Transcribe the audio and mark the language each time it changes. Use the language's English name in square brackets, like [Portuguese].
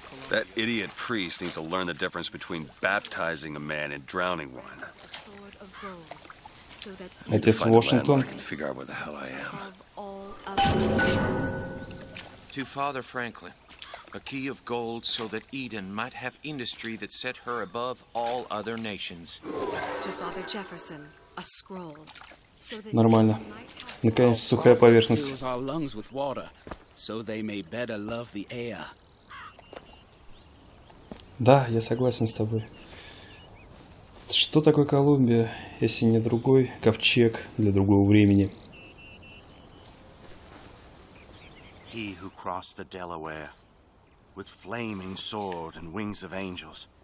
[English] That idiot priest needs to learn the difference between baptizing a man and drowning one. [Russian] Отец Вашингтон. [English] To Father Franklin, a key of gold so that Eden might have industry that set her above all other nations. To Father Jefferson, a scroll so that [Russian] нормально. Наконец сухая поверхность. [English] So they may better love the air. [Russian] Да, я согласен с тобой. Что такое Колумбия, если не другой ковчег для другого времени? [English] He who crossed the Delaware with flaming sword and wings of angels.